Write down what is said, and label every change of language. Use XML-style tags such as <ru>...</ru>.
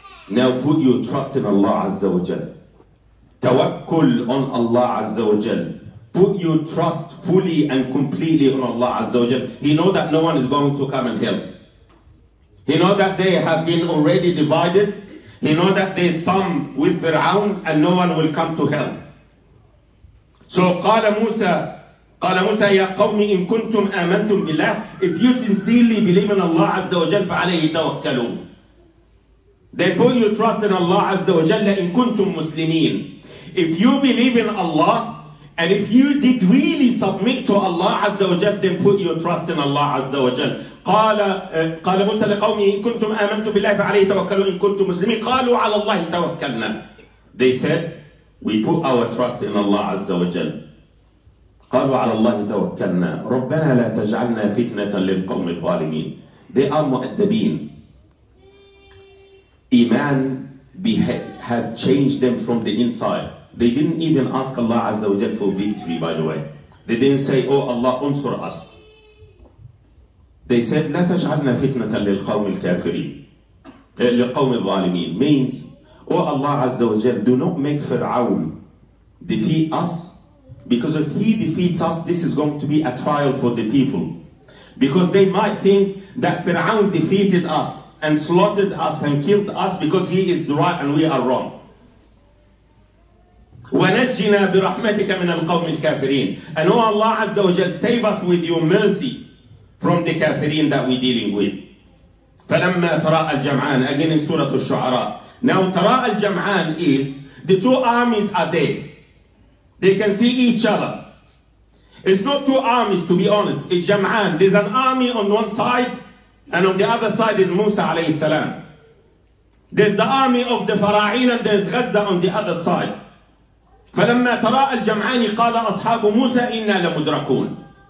<en>Now put your trust in Allah Azza wa Jal. توكل on Allah Azza wa Jal. Put your trust fully and completely on Allah Azza wa Jal. He knows that no one is going to come and help. He knows that they have been already divided. He knows that there is some with Fir'aun and no one will come to help.</en> <ar>So قال موسى يا قوم إن كنتم آمنتم بالله.</ar> <en>If you sincerely believe in Allah Azza wa Jal, فعليه توكلوا. They put your trust in Allah Azza wa Jalla إن كنتم مسلمين. If you believe in Allah, and if you did really submit to Allah Azza wa Jal, then put your trust in Allah Azza wa Jal.</en> <ar>قال موسى لقومه إن كنتم آمنتم بالله فعليه توكلوا إن كنتم مسلمين. قالوا على الله توكلنا.</ar> <en>They said, we put our trust in Allah Azza wa Jal.</en> <ar>قالوا على الله توكلنا. ربنا لا تجعلنا فتنة للقوم الظالمين.</ar> <en>They are مؤدبين. Iman has changed them from the inside. They didn't even ask Allah Azza wa Jal for victory, by the way. They didn't say, Oh Allah, unsur us. They said, لَا تَجْعَلْنَا فِتْنَةً لِلْقَوْمِ الْكَافِرِينَ لِلْقَوْمِ الظَّالِمِينَ means, Oh Allah Azza wa Jal, do not make Fir'aun defeat us. Because if he defeats us, this is going to be a trial for the people. Because they might think that Fir'aun defeated us and slaughtered us and killed us because he is right and we are wrong.</en> <ar>ونجنا برحمتك من القوم الكافرين.</ar> <en>And oh Allah Azza wa Jal, save us with your mercy from the kafirin that we're dealing with. فلما تراء الجمعان, again in Surah الشعراء. Now تراء الجمعان is the two armies are there. They can see each other. It's not two armies, to be honest. It's جمعان. There's an army on one side and on the other side is Musa alayhi salam. There's the army of the Fara'in and there's Gaza on the other side.</en> <ar>فلما تراء الجمعان قال أصحاب موسى إنا لمدركون.</ar>